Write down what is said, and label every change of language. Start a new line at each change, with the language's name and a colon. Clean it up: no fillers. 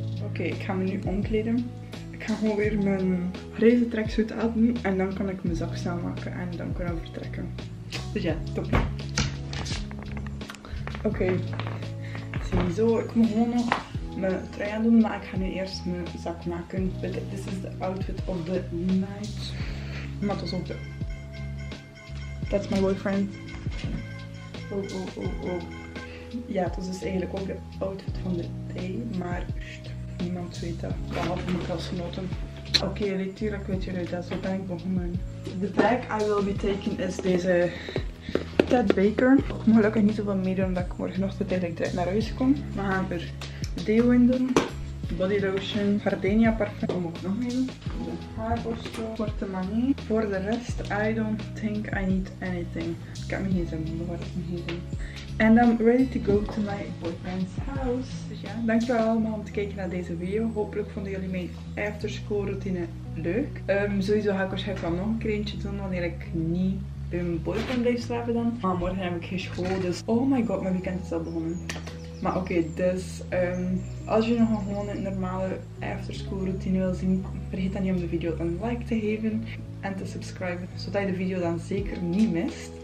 Dutch: Oké, ik ga me nu omkleden. Ik ga gewoon weer mijn grijze tracksuit aandoen en dan kan ik mijn zak snel maken en dan kunnen we vertrekken. Dus ja, top. Oké, ziezo. Ik moet gewoon nog mijn trui aandoen, maar ik ga nu eerst mijn zak maken.
English: But this is the outfit of the night.
Dutch: Maar tot zover.
English: That's my boyfriend.
Dutch: Oh, oh, oh, oh. Ja, het was dus eigenlijk ook de outfit van de day, maar niemand weet dat, behalve mijn klasgenoten. Oké, natuurlijk weet jullie dat, zo ben ik begonnen.
English: The bag I will be taking is
Dutch: deze Ted Baker. Ik mag gelukkig niet zoveel meedoen omdat ik morgenochtend eigenlijk direct naar huis kom. We gaan er deodorant, body lotion, gardenia parfum. Wat moet ik nog meedoen? De haarborstel, portemonnee. Voor de rest,
English: I don't think I need anything.
Dutch: Ik heb me geen zin, maar wat heb ik me geen zin.
English: And I'm ready to go to my boyfriend's house.
Dutch: Dus ja, dankjewel allemaal om te kijken naar deze video. Hopelijk vonden jullie mijn afterschool routine leuk. Sowieso ga ik waarschijnlijk wel nog een keer eentje doen wanneer ik niet bij mijn boyfriend blijf slapen dan. Maar morgen heb ik geen school, dus
English: oh my god,
Dutch: mijn weekend is al begonnen. Maar oké, dus als je nog gewoon een normale afterschool routine wil zien, vergeet dan niet om de video een like te geven en te subscriben, zodat je de video dan zeker niet mist.